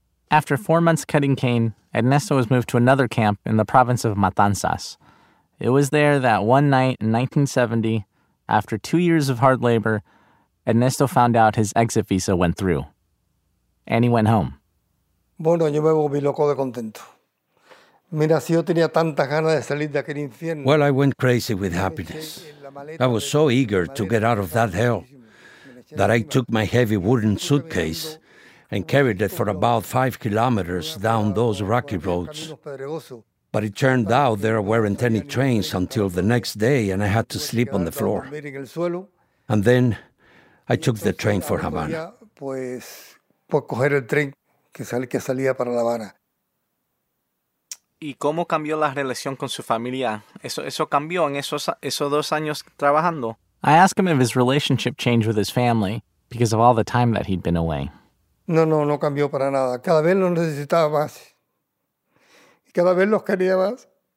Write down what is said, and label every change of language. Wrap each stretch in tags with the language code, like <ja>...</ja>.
<en>After 4 months cutting cane, Ernesto was moved to another camp in the province of Matanzas. It was there that one night in 1970, after 2 years of hard labor, Ernesto found out his exit visa went through. And he went home.</en> <es>Bueno, yo me volví loco de contento. Mira, si yo tenía tantas ganas de salir de aquel infierno.</es> <en>Well, I went crazy with happiness. I was so eager to get out of that hell that I took my heavy wooden suitcase and carried it for about 5 kilometers down those rocky roads. But it turned out there weren't any trains until the next day, and I had to sleep on the floor. And then I took the train for Havana.</en> <es>Pues, por coger el tren. Que salía para La Habana. ¿Y cómo cambió la relación con su familia? ¿Eso cambió en esos 2 años trabajando?</es> <en>I ask him if his relationship changed with his family because of all the time that he'd been away.</en> <es>No cambió para nada. Cada vez los necesitaba más. Y cada vez los quería más.</es>